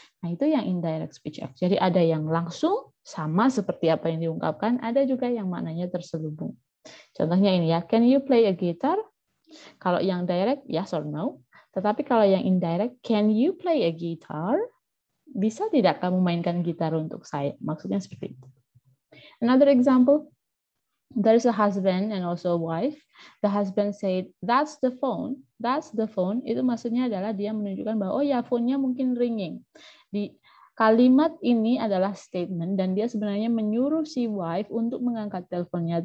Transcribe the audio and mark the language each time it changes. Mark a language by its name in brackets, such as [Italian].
[Indonesian] Nah, itu yang indirect speech act. Jadi ada yang langsung sama seperti apa yang diungkapkan, ada juga yang maknanya terselubung. Contohnya ini ya, [English] can you play a guitar? [Indonesian] Kalau yang [English] direct yes or no. [Indonesian] Tetapi kalau yang indirect, [English] can you play a guitar? [Indonesian] Bisa tidak kamu mainkan gitar untuk saya? Maksudnya seperti itu. [English] Another example, there is a husband and also a wife. The husband said, that's the phone. That's the phone. [Indonesian] Itu maksudnya adalah dia menunjukkan bahwa, oh ya, phone-nya mungkin ringing. Di kalimat ini adalah statement, dan dia sebenarnya menyuruh si wife untuk mengangkat teleponnya.